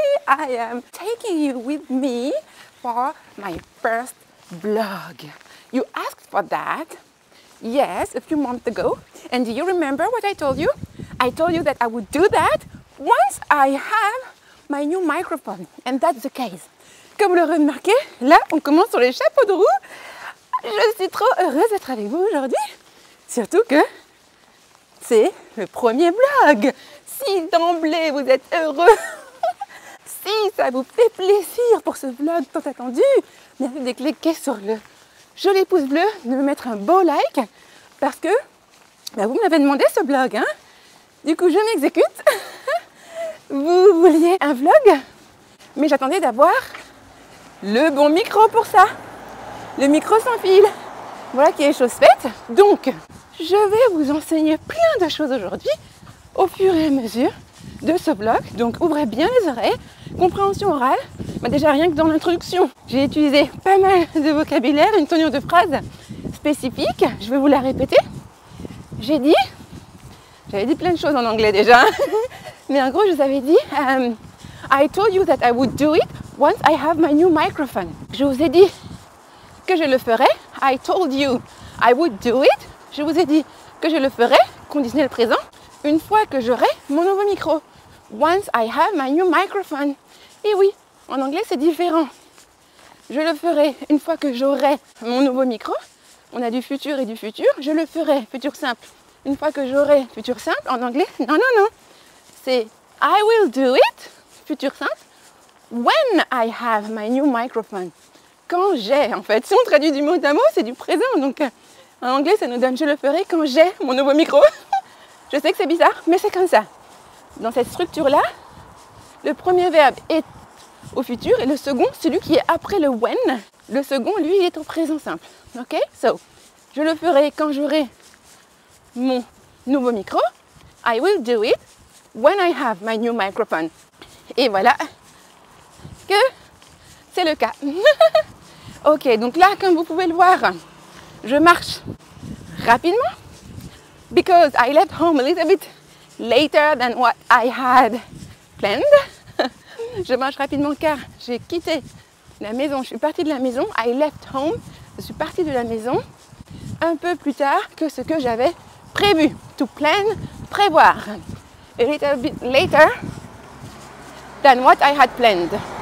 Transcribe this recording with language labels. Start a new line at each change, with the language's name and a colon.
English: I am taking you with me for my first vlog. You asked for that, yes, a few months ago. And do you remember what I told you? I told you that I would do that once I have my new microphone. And that's the case.
French: Comme vous l'aurez remarqué, là, on commence sur les chapeaux de roue. Je suis trop heureuse d'être avec vous aujourd'hui. Surtout que c'est le premier vlog. Si d'emblée vous êtes heureux, si ça vous fait plaisir pour ce vlog tant attendu, merci de cliquer sur le joli pouce bleu, de me mettre un beau like, parce que bah vous me l'avez demandé ce vlog. Hein. Du coup, je m'exécute. Vous vouliez un vlog, mais j'attendais d'avoir le bon micro pour ça. Le micro sans fil. Voilà qui est chose faite. Donc, je vais vous enseigner plein de choses aujourd'hui au fur et à mesure de ce vlog. Donc ouvrez bien les oreilles, compréhension orale. Bah déjà rien que dans l'introduction, j'ai utilisé pas mal de vocabulaire, une tournure de phrase spécifique. Je vais vous la répéter. J'avais dit plein de choses en anglais déjà. Mais en gros, je vous avais dit
English: I told you that I would do it once I have my new microphone.
French: Je vous ai dit que je le ferais.
English: I told you I would do it.
French: Je vous ai dit que je le ferai, conditionnel présent, une fois que j'aurai mon nouveau micro.
English: Once I have my new microphone.
French: Et oui, en anglais c'est différent. Je le ferai une fois que j'aurai mon nouveau micro. On a du futur et du futur. Je le ferai, futur simple. Une fois que j'aurai futur simple, en anglais, non, non, non.
English: C'est I will do it, futur simple, when I have my new microphone.
French: Quand j'ai, en fait. Si on traduit du mot à mot, c'est du présent, donc en anglais, ça nous donne « je le ferai quand j'ai mon nouveau micro ». Je sais que c'est bizarre, mais c'est comme ça. Dans cette structure-là, le premier verbe est au futur et le second, celui qui est après le « when », le second, lui, est au présent simple. Ok ? So, je le ferai quand j'aurai mon nouveau micro.
English: I will do it when I have my new microphone.
French: Et voilà que c'est le cas. Ok, donc là, comme vous pouvez le voir, je marche rapidement
English: because I left home a little bit later than what I had planned.
French: Je marche rapidement car j'ai quitté la maison, je suis partie de la maison.
English: I left home,
French: je suis partie de la maison un peu plus tard que ce que j'avais prévu.
English: To plan, prévoir. A little bit later than what I had planned.